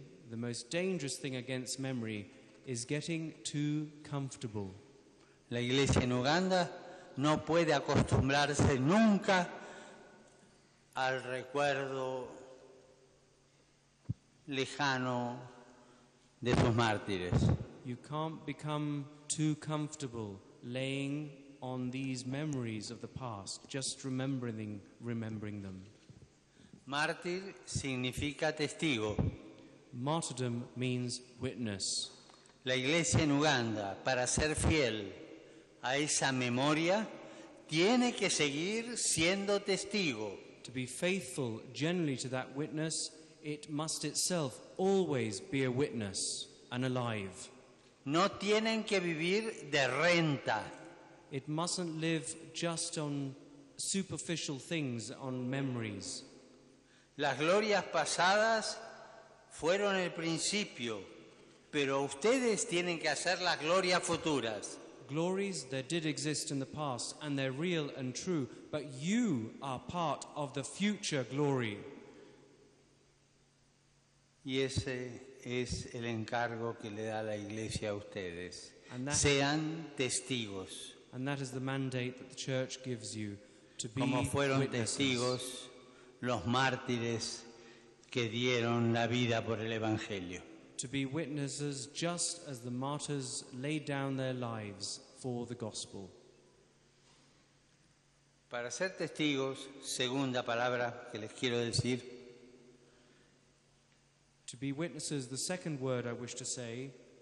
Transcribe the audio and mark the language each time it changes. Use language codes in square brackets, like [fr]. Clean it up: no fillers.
[en] The most dangerous thing against memory is getting too comfortable. [es] La iglesia en Uganda no puede acostumbrarse nunca al recuerdo lejano de sus mártires. [en] You can't become too comfortable laying on these memories of the past, just remembering them. [es] Mártir significa testigo. [en] Martyrdom means witness. [es] La iglesia en Uganda, para ser fiel a esa memoria, tiene que seguir siendo testigo. [en] To be faithful generally to that witness, it must itself always be a witness and alive. [es] No tienen que vivir de renta. [en] It mustn't live just on superficial things, on memories. [es] Las glorias pasadas fueron el principio, pero ustedes tienen que hacer las glorias futuras. [en] Glories that did exist in the past, and they're real and true, but you are part of the future glory. [es] Y ese es el encargo que le da la iglesia a ustedes. Sean testigos. [en] And that is the mandate that the church gives you, to be witnesses. [es] Como fueron [en] witnesses. [es] Testigos los mártires que dieron la vida por el evangelio. [en] To be witnesses just as the martyrs laid down their lives for the gospel. [es] Para ser testigos, segunda palabra que les quiero decir. [en] To be witnesses, the second word I wish to say,